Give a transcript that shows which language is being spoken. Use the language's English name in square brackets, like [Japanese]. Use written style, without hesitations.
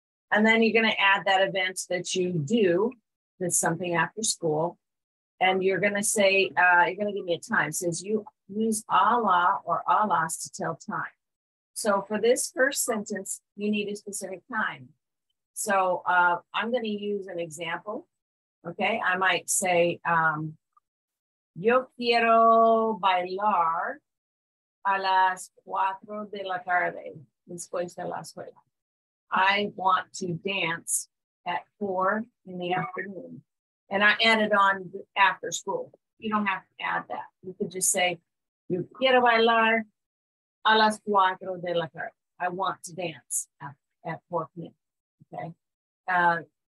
[English] And then you're going to add that event that you do, that's something after school. And you're going to say, you're going to give me a time. It says you use a la or a las to tell time. So for this first sentence, you need a specific time. So I'm going to use an example. Okay. I might say, [Spanish] yo quiero bailar a las cuatro de la tarde después de la escuela. [English] I want to dance at 4 in the afternoon. And I added on after school. You don't have to add that. You could just say, [Spanish] yo quiero bailar a las cuatro de la tarde. [English] I want to dance at 4 p.m. Okay.